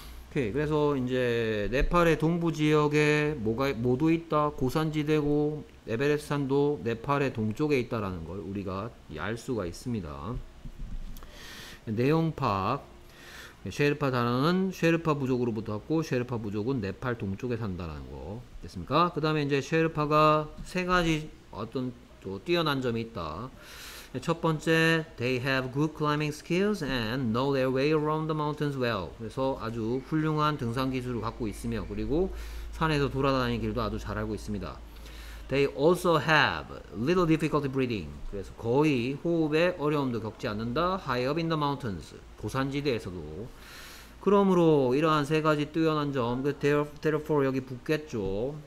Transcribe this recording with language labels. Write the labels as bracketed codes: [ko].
[ko] 오케이 그래서 이제 네팔의 동부 지역에 모두 있다 고산지대고 에베레스트산도 네팔의 동쪽에 있다라는 걸 우리가 알 수가 있습니다. 내용 파악 쉐르파 단어는 쉐르파 부족으로부터 왔고 쉐르파 부족은 네팔 동쪽에 산다라는 거 됐습니까? 그 다음에 이제 쉐르파가 세 가지 어떤 또 뛰어난 점이 있다. 첫 번째, [en] they have good climbing skills and know their way around the mountains well. [ko] 그래서 아주 훌륭한 등산 기술을 갖고 있으며, 그리고 산에서 돌아다니는 길도 아주 잘 알고 있습니다. [en] They also have little difficulty breathing. [ko] 그래서 거의 호흡에 어려움도 겪지 않는다. [en] High up in the mountains. [ko] 고산지대에서도. 그러므로 이러한 세 가지 뛰어난 점, therefore 여기 붙겠죠.